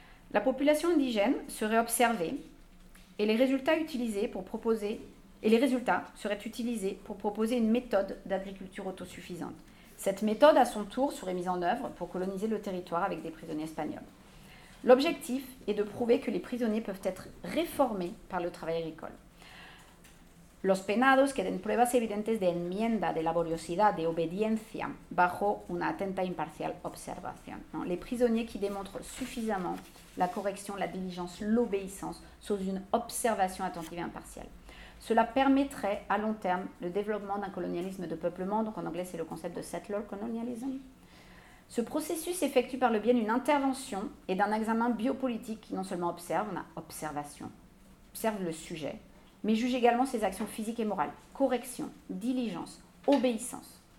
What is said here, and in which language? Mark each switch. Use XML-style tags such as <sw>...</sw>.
<fr>La population indigène serait observée et les résultats utilisés pour proposer une méthode d'agriculture autosuffisante. Cette méthode, à son tour, serait mise en œuvre pour coloniser le territoire avec des prisonniers espagnols. L'objectif est de prouver que les prisonniers peuvent être réformés par le travail agricole.</fr> <es>Los penados que den pruebas evidentes de enmienda, de laboriosidad, de obediencia bajo una atenta imparcial observación.</es> <fr>Non, les prisonniers qui démontrent suffisamment la correction, la diligence, l'obéissance sous une observation attentive et impartiale. Cela permettrait à long terme le développement d'un colonialisme de peuplement, donc en anglais c'est le concept de settler colonialism. Ce processus s'effectue par le biais d'une intervention et d'un examen biopolitique qui non seulement observe, on a observation, observe le sujet, mais juge également ses actions physiques et morales, correction, diligence, obéissance.</fr>